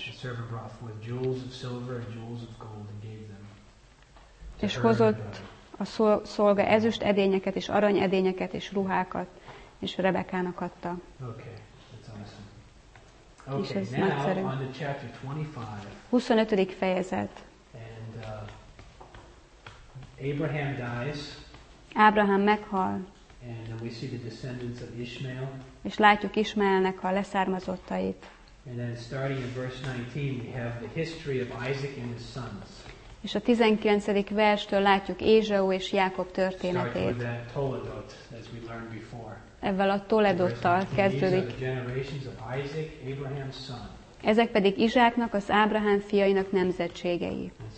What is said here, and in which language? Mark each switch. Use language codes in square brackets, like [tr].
[en] The servant brought forth jewels of silver and jewels of gold and gave them. [hu] És hozott a szolga ezüst edényeket és arany edényeket és ruhákat, és Rebekának adta. [en] Okay, that's awesome. Okay, now on to chapter 25. [hu] 25. fejezet. [en] Abraham dies. [hu] Ábrahám meghal. [en] And then we see the descendants of Ishmael. [hu] És látjuk Ismaelnek a leszármazottait. [en] And then starting in verse 19 we have the history of Isaac and his sons. [hu] És a 19. verstől látjuk Ézsau és Jákob történetét. [en] Starting with that Toledot, as we learned before. [hu] Ezzel a Toledottal kezdődik. [en] These are the generations of Isaac, Abraham's son. [hu] Ezek pedig Izsáknak, az Ábrahám fiainak nemzetségei.